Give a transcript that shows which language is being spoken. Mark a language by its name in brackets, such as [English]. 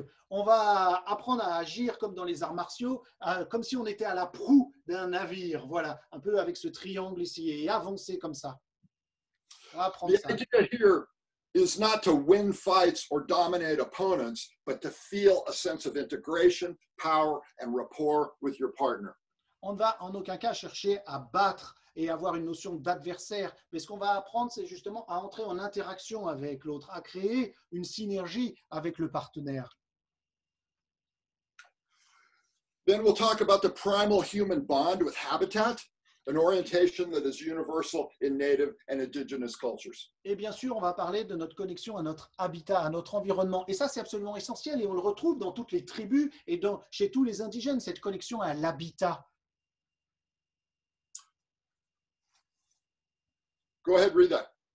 [French] On va apprendre à agir comme dans les arts martiaux, comme si on était à la proue d'un navire, voilà, un peu avec ce triangle ici, et avancer comme ça. L'idée [English] here is not to win fights or dominate opponents, but to feel a sense of integration, power, and rapport with your partner. [French] On ne va en aucun cas chercher à battre et avoir une notion d'adversaire, mais ce qu'on va apprendre, c'est justement à entrer en interaction avec l'autre, à créer une synergie avec le partenaire. [English] Then we'll talk about the primal human bond with habitat, an orientation that is universal in native and indigenous cultures. [French] Et bien sûr, on va parler de notre connexion à notre habitat, à notre environnement. Et ça, c'est absolument essentiel et on le retrouve dans toutes les tribus et chez tous les indigènes, cette connexion à l'habitat. [English] Go ahead, read that.